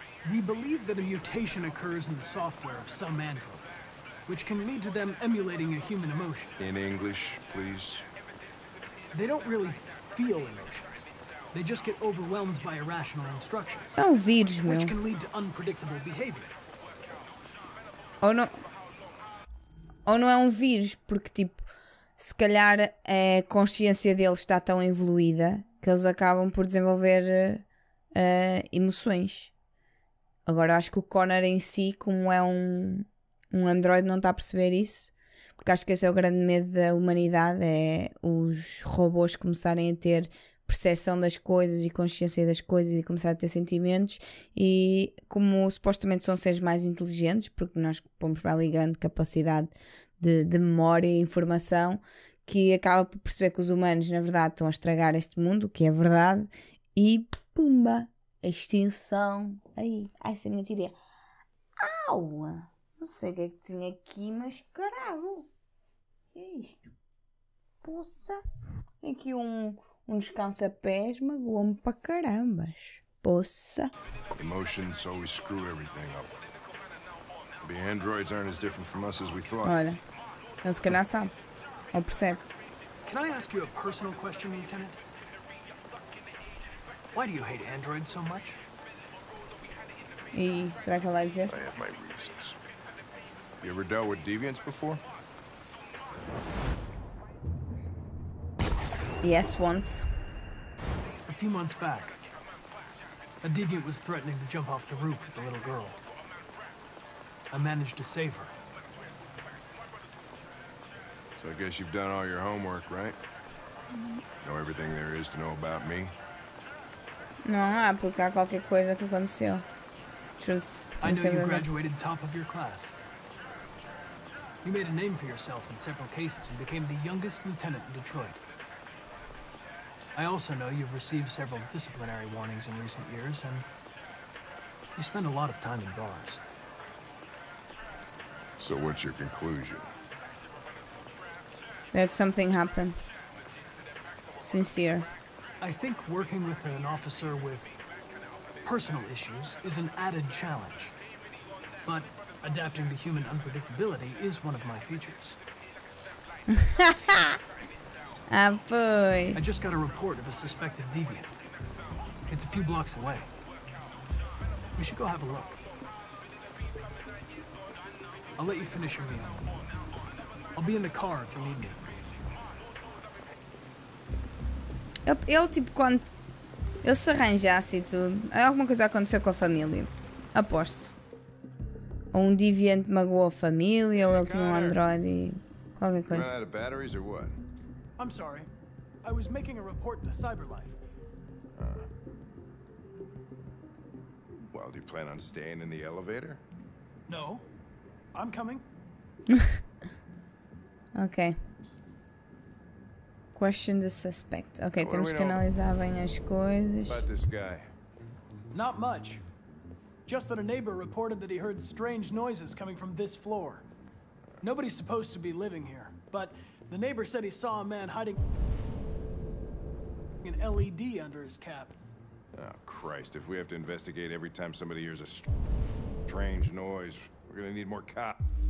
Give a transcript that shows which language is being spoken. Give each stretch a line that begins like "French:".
English: We believe that a mutation occurs in the software of some androids, which can lead to them emulating a human emotion. In English, please. They don't really feel emotions. They just get overwhelmed by irrational instructions.
Portuguese: É um vírus, meu.
English: Which can lead to unpredictable behavior.
Portuguese: Ou não é um vírus, porque, tipo, se calhar a consciência deles está tão evoluída que eles acabam por desenvolver emoções. Agora, eu acho que o Connor em si, como é um androide, não está a perceber isso. Porque acho que esse é o grande medo da humanidade, é os robôs começarem a ter percepção das coisas e consciência das coisas e começarem a ter sentimentos. E como supostamente são seres mais inteligentes, porque nós pomos para ali grande capacidade de memória e informação, que acaba por perceber que os humanos, na verdade, estão a estragar este mundo, o que é verdade, e pumba! A extinção. Aí, essa é a minha teoria. Au! Não sei o que é que tinha aqui, mas caralho! O que é isto? Poça! Tem aqui um descanso a pés, magoou-me para carambas. Poça!
English: Emotions always screw everything up. The androids aren't as different from us as we thought.
Portuguese: Olha, ele se calhar sabe. Ou percebe.
English: Can I ask you a personal question, Lieutenant? Why do you hate androids so much?
Portuguese: E será que ele vai dizer?
English: I have my reasons. You ever dealt with deviants before? Yes, once. A few months back, a deviant was threatening to jump off the roof with a little girl. I managed to save her. So I guess you've done all your homework, right? Know everything there is to know about me?
Portuguese: Não, ah, porque há qualquer coisa que aconteceu.
English: Truth. I know you graduated top of your class. You made a name for yourself in several cases and became the youngest lieutenant in Detroit. I also know you've received several disciplinary warnings in recent years, and you spend a lot of time in bars. So what's your conclusion? That something happened. Sincere. I think working with an officer with personal issues is an added challenge. But adapting to human unpredictability is one of my features.
Portuguese: Ah, pois.
English: I just got a report of a suspected deviant. It's a few blocks away. We should go have a look. I'll let you finish your meal. I'll be in the car if you need me.
Portuguese: Ele, tipo, quando ele se arranjasse e tudo, alguma coisa aconteceu com a família. Aposto. Ou um deviante magoou a família, ou ele tinha um Android e qualquer coisa.
English: Out of batteries or what? I'm sorry. I was making a report to CyberLife. Well, do you plan on staying in the elevator? No. I'm coming. Ok. Question the suspect.
Portuguese: Ok, what temos que analisar bem as coisas.
English: About this guy? Not much. Just that a neighbor reported that he heard strange noises coming from this floor. Nobody's supposed to be living here, but the neighbor said he saw a man hiding an LED under his cap. Oh, Christ, if we have to investigate every time somebody hears a strange noise, we're gonna need more cops.